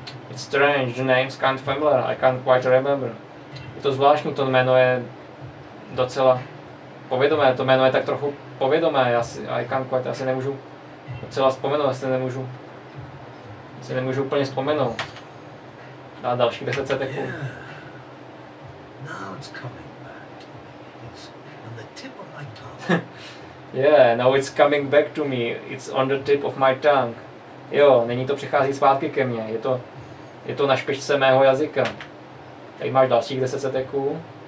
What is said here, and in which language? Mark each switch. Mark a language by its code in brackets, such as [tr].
[en] It's strange, the name's kind of familiar, I can't quite remember. [cs] Je to zvláštní, to jméno je docela povědomé, to jméno je tak trochu povědomé, já si, [en] I can't quite, [cs] já si nemůžu docela vzpomenout, já si nemůžu úplně vzpomenout. Dá další 10 seteků. [en] Yeah. Now it's coming back. It's on the tip of my tongue. Yeah, now it's coming back to me. It's on the tip of my tongue. [cs] Jo, nyní to přichází zpátky ke mně. Je to na špičce mého jazyka. Tady máš dalších 10 seteků.